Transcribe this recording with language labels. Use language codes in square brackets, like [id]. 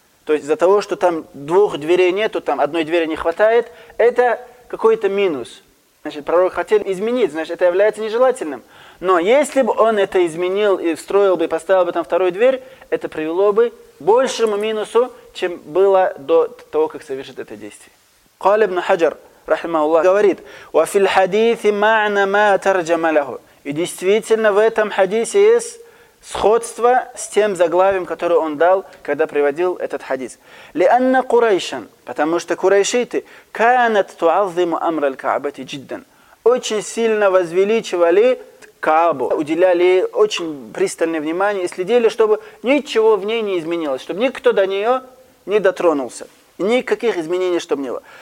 [ru] То есть из-за того, что там двух дверей нету, там одной двери не хватает, это какой-то минус. Значит, пророк хотел изменить, значит, это является нежелательным. Но если бы он это изменил и встроил бы, и поставил бы там вторую дверь, это привело бы большему минусу, чем было до того, как совершит это действие. [ar] قال ابن حجر رحمه الله [ru] говорит: [ar] وفي الحديث معنى ما ترجم له. [ru] И действительно в этом хадисе есть сходство с тем заглавием, которое он дал, когда приводил этот хадис. [ar] لأن قريشًا, [ru] потому что курайшиты [ar] كانت تعظم أمر الكعبة جدًا, [ru] очень сильно возвеличивали Каабу, уделяли очень пристальное внимание и следили, чтобы ничего в ней не изменилось, чтобы никто до нее не дотронулся, никаких изменений, чтобы не было.